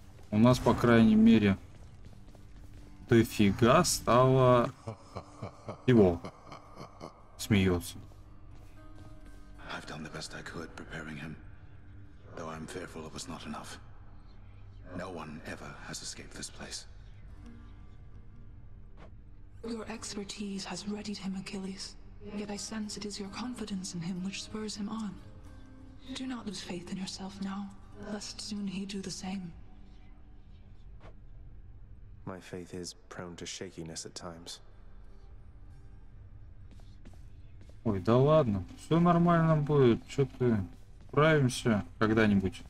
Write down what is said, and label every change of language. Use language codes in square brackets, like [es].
[ru] У нас, по крайней мере, дофига стало его. Смеется. [en] I've done the best I could preparing him, though I'm fearful it was not enough. No one ever has escaped this place. Your expertise has readied him, Achilles. Yet I sense it is your confidence in him which spurs him on. Do not lose faith in yourself now, lest soon he do the same. My faith is prone to shakiness at times. [ru] Ой, да ладно, все нормально будет, что ты, справимся когда-нибудь.